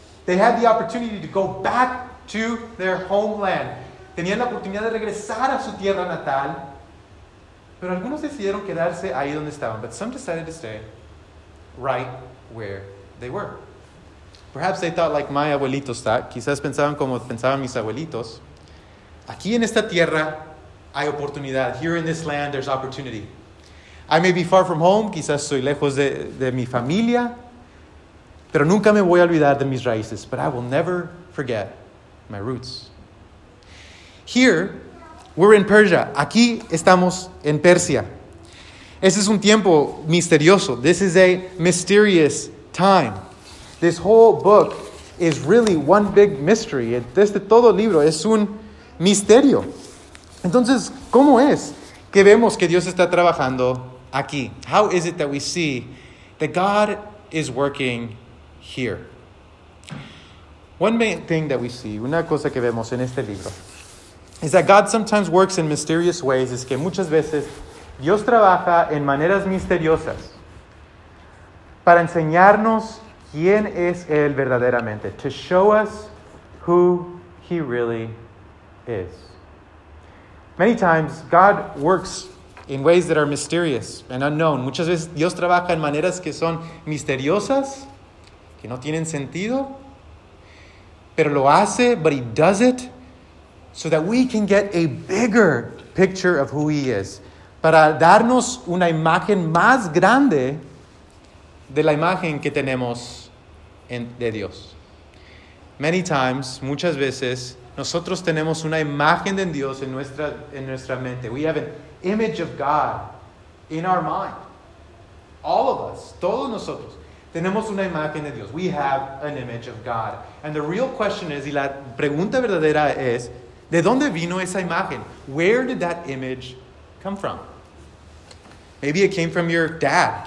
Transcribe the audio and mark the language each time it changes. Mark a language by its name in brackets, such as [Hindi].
[English] They had the opportunity to go back to their homeland. [Spanish] Tenían la oportunidad de regresar a su tierra natal. Pero algunos decidieron quedarse ahí donde estaban. [English] But some decided to stay right where they were. Perhaps they thought like my abuelitos thought. [Spanish] Quizás pensaban como pensaban mis abuelitos. Aquí en esta tierra hay oportunidad. [English] Here in this land there's opportunity. I may be far from home. [Spanish] Quizás soy lejos de mi familia. Pero nunca me voy a olvidar de mis raíces. [English] But I will never forget my roots. Here, we're in Persia. [Spanish] Aquí estamos en Persia. Este es un tiempo misterioso. [English] This is a mysterious time. This whole book is really one big mystery. [Spanish] Este todo libro es un misterio. Entonces, ¿cómo es que vemos que Dios está trabajando aquí? [English] How is it that we see that God is working here? One main thing that we see, [Spanish] una cosa que vemos en este libro, [English] is that God sometimes works in mysterious ways, [Spanish] es que muchas veces Dios trabaja en maneras misteriosas para enseñarnos quién es Él verdaderamente, [English] to show us who He really is. Many times, God works in ways that are mysterious and unknown. [Spanish] Muchas veces Dios trabaja en maneras que son misteriosas, que no tienen sentido, pero lo hace, [English] but He does it so that we can get a bigger picture of who He is. [Spanish] Para darnos una imagen más grande de la imagen que tenemos de Dios. [English] Many times, [Spanish] muchas veces, nosotros tenemos una imagen de Dios en nuestra mente. [English] We have an image of God in our mind. All of us, [Spanish] todos nosotros. Tenemos una imagen de Dios. [English] We have an image of God. And the real question is, [Spanish] y la pregunta verdadera es, ¿de dónde vino esa imagen? [English] Where did that image come from? Maybe it came from your dad.